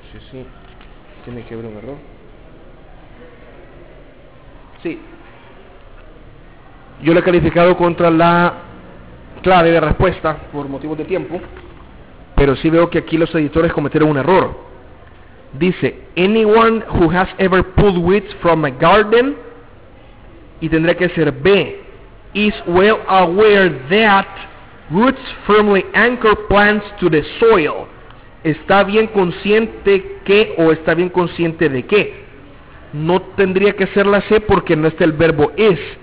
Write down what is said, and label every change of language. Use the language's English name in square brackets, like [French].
[Spanish] Sí, tiene que haber un error. Sí. Yo lo he calificado contra la clave de respuesta por motivos de tiempo. Pero sí veo que aquí los editores cometieron un error. Dice, [English] anyone who has ever pulled weeds from a garden. [Spanish] Y tendría que ser B. [English] Is well aware that roots firmly anchor plants to the soil. [Spanish] Está bien consciente que, o está bien consciente de qué. No tendría que ser la C porque no está el verbo is.